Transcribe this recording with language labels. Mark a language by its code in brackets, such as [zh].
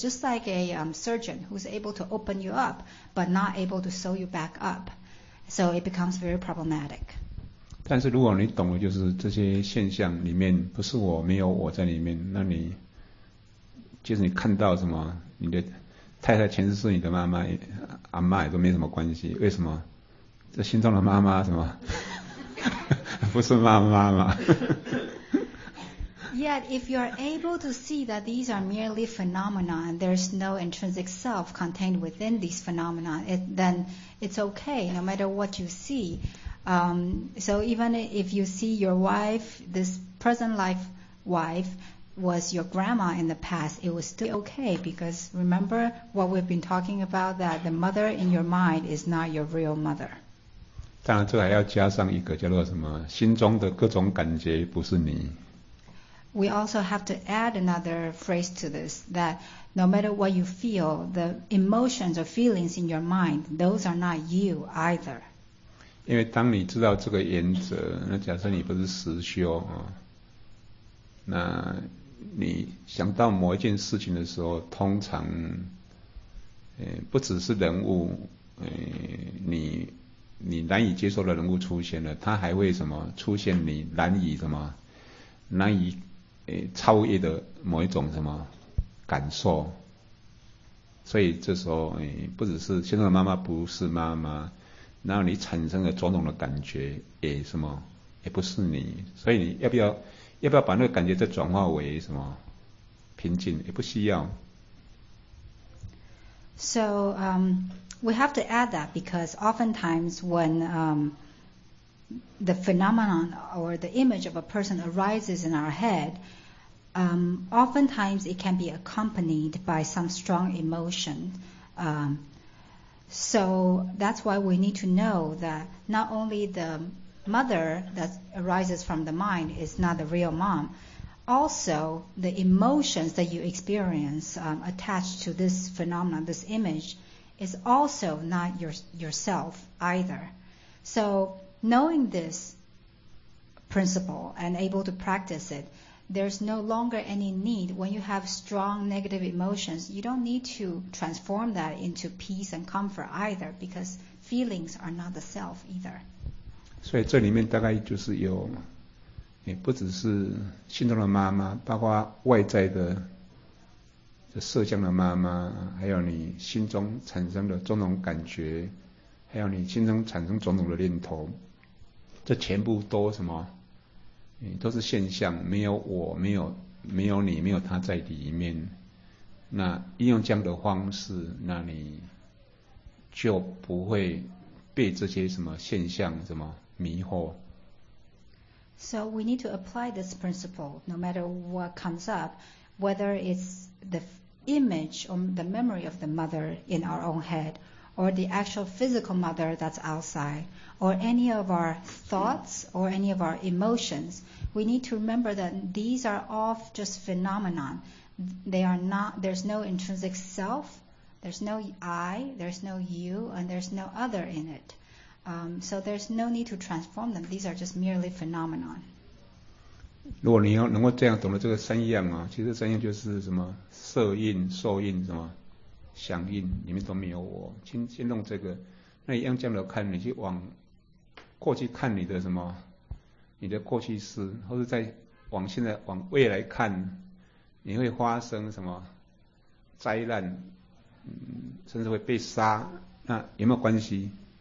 [en] Just like a surgeon who's able to open you up, but not able to sew you back up. So it becomes very problematic. [zh] 但是如果你懂了，就是这些现象里面不是我没有我在里面，那你。其实你看到什么，你的太太前世是你的妈妈、阿妈也都没什么关系。为什么？这心中的妈妈什么？不是妈妈吗 [en] ？Yet if you are able to see that these are merely phenomena and there's no intrinsic self contained within these phenomena, then it's okay no matter what you see. So even if you see your wife, this present life wife. Was your grandma in the past, it was still okay, because remember what we've been talking about, that the mother in your mind is not your real mother. [zh] 当然这还要加上一个叫做什么，心中的各种感觉不是你。 [en] We also have to add another phrase to this, that no matter what you feel, the emotions or feelings in your mind, those are not you either. [zh] 因为当你知道这个原则，那假设你不是实修啊，那你想到某一件事情的时候，通常，不只是人物，你难以接受的人物出现了，他还会什么出现你难以什么难以超越的某一种什么感受，所以这时候不只是现在的妈妈不是妈妈，然后你产生了种种的感觉也什么也不是你，所以你要不要？要不要把那个感觉再转化为什么平静？也不需要。 [en] So we have to add that because oftentimes when the phenomenon or the image of a person arises in our head, oftentimes it can be accompanied by some strong emotion. So that's why we need to know that not only the mother that arises from the mind is not the real mom. Also, the emotions that you experience attached to this phenomenon, this image, is also not yourself either. So knowing this principle and able to practice it, there's no longer any need. When you have strong negative emotions, you don't need to transform that into peace and comfort either, because feelings are not the self either. [zh] 所以这里面大概就是有，也不只是心中的妈妈，包括外在的色相的妈妈，还有你心中产生的种种感觉，还有你心中产生种种的念头，这全部都什么？都是现象，没有我，没有你，没有他在里面。那应用这样的方式，那你就不会被这些什么现象什么迷惑。 [en] So we need to apply this principle, no matter what comes up, whether it's the image or the memory of the mother in our own head, or the actual physical mother that's outside, or any of our thoughts or any of our emotions. We need to remember that these are all just phenomenon. They are not, there's no intrinsic self, there's no I, there's no you, and there's no other in it. So there's no need to transform them. These are just merely phenomenon. [zh] 如果你要能够这样懂得这个三样啊，其实三样就是什么色印、受印、什么响印，里面都没有我。先弄这个，那一样这样的看，你去往过去看你的什么，你的过去式，或者再往现在往未来看，你会发生什么灾难，甚至会被杀，那有没有关系？